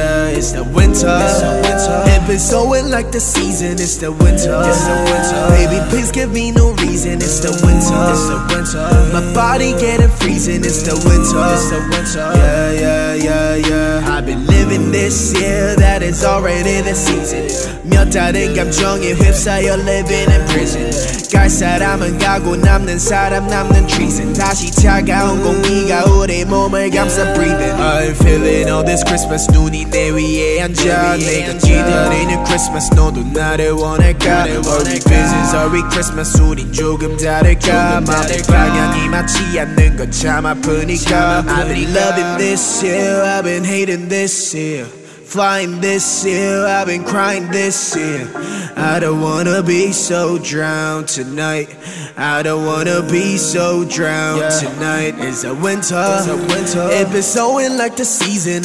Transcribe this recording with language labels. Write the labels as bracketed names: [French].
[English] It's the winter. It been snowing like the season. It's the winter. Baby, please give me no reason. It's the winter. My body getting freezing. It's the winter. Yeah. I've been living this year. That is already the season. [Korean] 몇 달은 감정에 휩싸여 [English] living in prison. [Korean] 갈 사람은 가고 남는 사람 남는 [English] treason. [Korean] 다시 차가운 공기가 우리 몸을 감싸 [English] breathing. I'm feeling all this Christmas. [Korean] 눈이 내 위에 앉아. 내가 기다리는 Christmas. 너도 나를 원할까? [English] Are we business? Are we Christmas? [Korean] 우린 조금 다를까? 마음의 방향이 맞지 않는 것 참 아프니까. [English] I've been loving this year. I've been hating this year. Flying this year, I've been crying this year. I don't wanna be so drowned tonight. I don't wanna be so drowned tonight. It's a winter. It been snowing like the season.